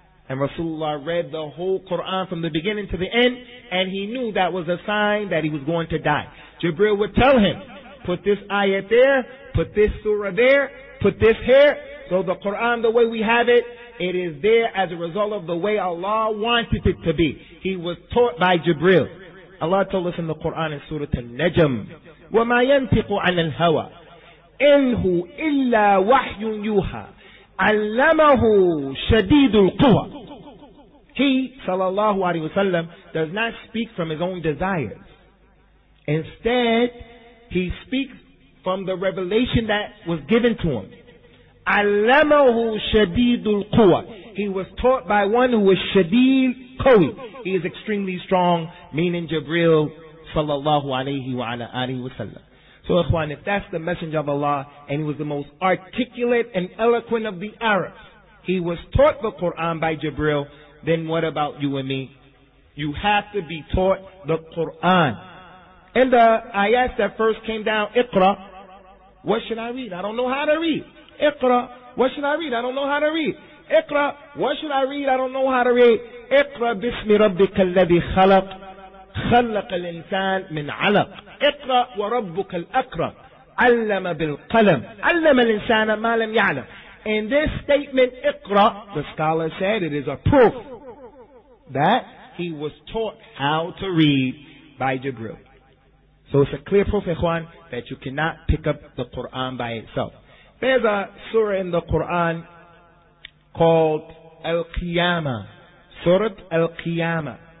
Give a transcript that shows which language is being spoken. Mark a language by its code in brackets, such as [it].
[en] And Rasulullah read the whole Quran from the beginning to the end, and he knew that was a sign that he was going to die. Jibril would tell him, put this ayat there, put this surah there, put this here. So the Quran, the way we have it, it is there as a result of the way Allah wanted it to be. He was taught by Jibril. Allah told us in the Quran in Surah Al-Najm, [ar] وَمَا يَنْتِقُ عَنَ الْهَوَىٰ إِنْ هُوَ إِلَّا وَحْيٌ يُوحَىٰ عَلَّمَهُ شَدِيدُ الْقُوَىٰ. [en] He, sallallahu alayhi wa sallam, does not speak from his own desires. Instead, he speaks from the revelation that was given to him. [ar] عَلَّمَهُ شَدِيدُ الْقُوَىٰ. [en] He was taught by one who was [ar] شَدِيدُ قَوِىٰ. [en] He is extremely strong, meaning Jibril, sallallahu alayhi wa ala alayhi wa sallam. So, ikhwan, if that's the messenger of Allah, and he was the most articulate and eloquent of the Arabs, he was taught the Qur'an by Jibril, then what about you and me? You have to be taught the Qur'an. In the ayat that first came down, اقرأ, what should I read? I don't know how to read. اقرأ, what should I read? I don't know how to read. اقرأ, what should I read? I don't know how to read. [ar] اقرأ باسم ربك الذي خلق خلق الإنسان من علق اقرأ وربك الأكرم علم بالقلم علم الإنسان ما لم يعلم. [en] In this statement اقرأ, the scholar said it is a proof that he was taught how to read by Jibril. So it's a clear proof, ikhwan, that you cannot pick up the Quran by itself. There's a surah in the Quran called Al-Qiyamah. Surah Al-Qiyamah.